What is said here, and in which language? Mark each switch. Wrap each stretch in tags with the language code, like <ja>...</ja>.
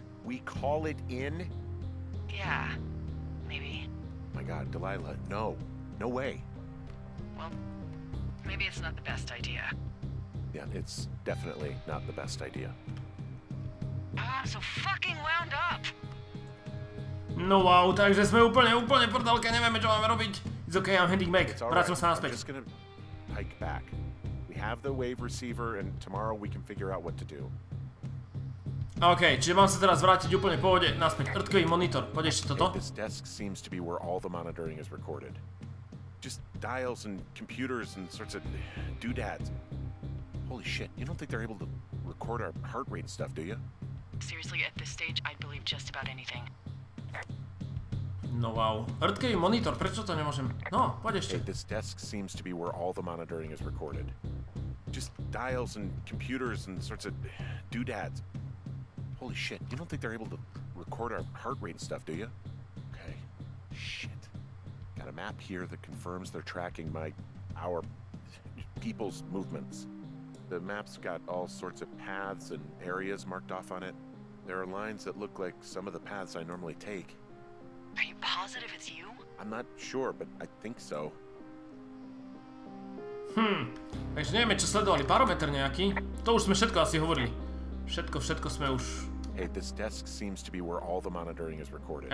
<en>We call it in? Yeah, maybe. My God, Delilah, no. No way. Well, maybe it's not the best idea. Yeah, it's definitely not the best idea. Oh, I'm so fucking wound up!</en> <sk>No wow, takže sme úplne prdelke, nevieme čo máme robiť.</sk> <en>It's okay, I'm heading back.</en> <sk>Vrátim sa naspäť.</sk> <en>I'm just gonna hike back. We have the wave receiver and tomorrow we can figure out what to do.</en> <sk>Okay, čiže mám sa teraz vrátiť úplne pohode naspäť. Earthquake monitor, poď ešte toto.</sk> <en>This desk seems to be where all the monitoring is recorded. Just dials and computers and sorts of doodads. Holy shit, you don't think they're able to record our heart rate stuff, do you? Seriously, at this stage, I'd believe just about anything.</en> <sk>No wow. Earthquake monitor, prečo to nemôžem? No, poď ešte.</sk> <en>Hey, this desk seems to be where all the monitoring is recorded. Just dials and computers and sorts of doodads. Holy shit, you don't think they're able to record our heart rate and stuff, do you? Okay. Shit. Got a map here that confirms they're tracking our people's movements. The map's got all sorts of paths and areas marked off on it. There are lines that look like some of the paths I normally take. Are you positive it's you? I'm not sure, but I think so.</en> <sk>Takže nevieme, čo sledovali, barometer nejaký? To už sme všetko asi hovorili. Všetko sme už...</sk> <en>Hey, this desk seems to be where all the monitoring is recorded.</en>